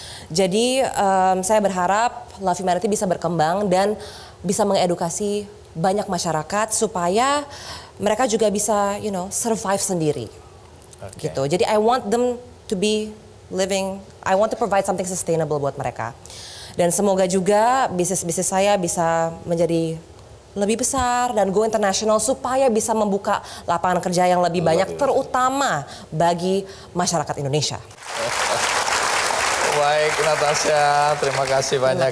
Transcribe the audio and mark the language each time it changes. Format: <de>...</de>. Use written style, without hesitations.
<id>Jadi, saya berharap Love Humanity bisa berkembang dan bisa mengedukasi banyak masyarakat supaya mereka juga bisa,</id> <en>you know, survive</en> <id>sendiri. Okay. Gitu.</id> <en>Jadi, I want them to be living, I want to provide something sustainable</en> <id>buat mereka. Dan semoga juga bisnis-bisnis saya bisa menjadi lebih besar dan</id> <en>go international</en> <id>supaya bisa membuka lapangan kerja yang lebih banyak, terutama bagi masyarakat Indonesia. Baik, Natasha, terima kasih banyak,</id>